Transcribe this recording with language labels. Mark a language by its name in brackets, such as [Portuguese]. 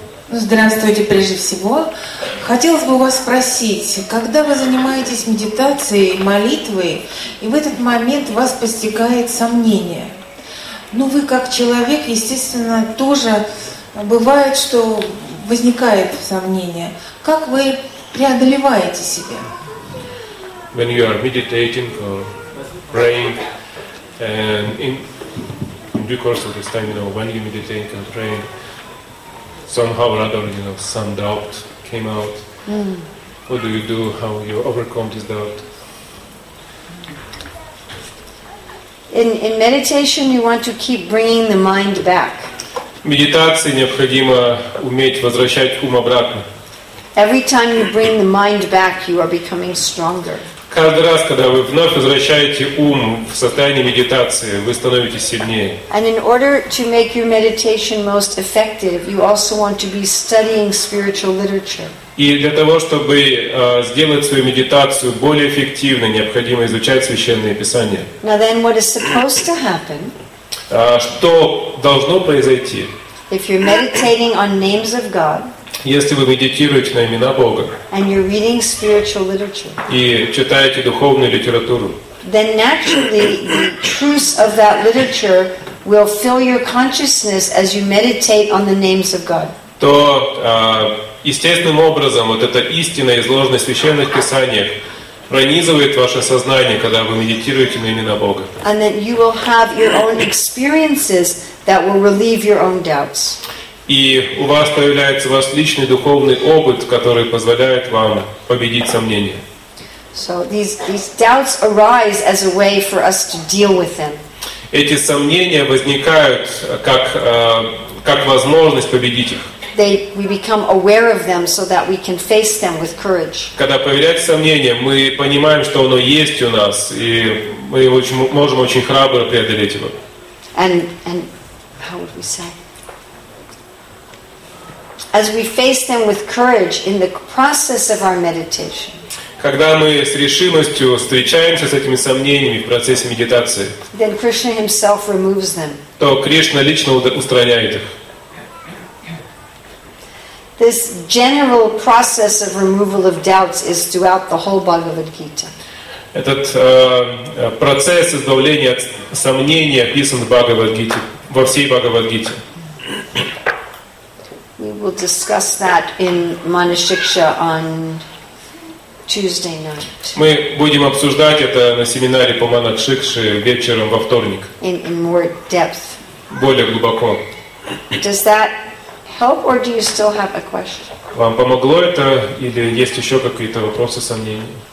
[Russian] Здравствуйте, прежде всего. Хотелось бы у вас спросить, когда вы занимаетесь медитацией, молитвой, и в этот момент вас постигает сомнение? Ну, вы как человек, естественно, тоже бывает, что возникает сомнение. Как вы преодолеваете себя? [English] When you are meditating or praying, and in due course of this time, you know, when you meditate and pray, somehow or other, you know, some doubt came out. Mm. What do you do? How you overcome this doubt? In meditation, you want to keep bringing the mind back. [Russian] Медитации необходимо уметь возвращать ум обратно. [English] Every time you bring the mind back, you are becoming stronger. [Russian] Каждый раз, когда вы вновь возвращаете ум в состояние медитации, вы становитесь сильнее. [English] And in order to make your meditation most effective, you also want to be studying spiritual literature. [Russian] И для того, чтобы сделать свою медитацию более эффективной, необходимо изучать священные писания. [English] Now then, what is supposed to happen? [Russian] Что должно произойти? [English] If you're meditating on names of God. [Russian] Если вы медитируете на имена Бога и читаете духовную литературу, [English] then naturally the truth of that literature will fill your consciousness as you meditate on the names of God. [Russian] То естественным образом вот эта истинная изложенная в священных писаниях пронизывает ваше сознание, когда вы медитируете на имена Бога. [English] And then you will have your own experiences that will relieve your own doubts. [Russian] И у вас появляется ваш личный духовный опыт, который позволяет вам победить сомнения. [English] So these doubts arise as a way for us to deal with them. [Russian] Эти сомнения возникают как возможность победить их. [English] We become aware of them so that we can face them with courage. [Russian] Когда появляется сомнение, мы понимаем, что оно есть у нас, и мы можем очень храбро преодолеть его. [English] And how would we say? As we face them with courage in the process of our meditation. [Russian] Когда мы с решимостью встречаемся с этими сомнениями в процессе медитации. [English] Then Krishna himself removes them. [Russian] То Кришна лично устраняет их. [English] This general process of removal of doubts is throughout the whole Bhagavad Gita. [Russian] Этот процесс избавления от сомнений описан в Бхагавад-гите, во всей Бхагавад-гите. [English] We will discuss that in Manushiksha on Tuesday night. [Russian] Мы будем обсуждать это на семинаре по Манашикше вечером во вторник. [English] In more depth. [Russian] Более глубоко. [English] Does that help, or do you still have a question? [Russian] Вам помогло это, или есть еще какие-то вопросы, сомнения?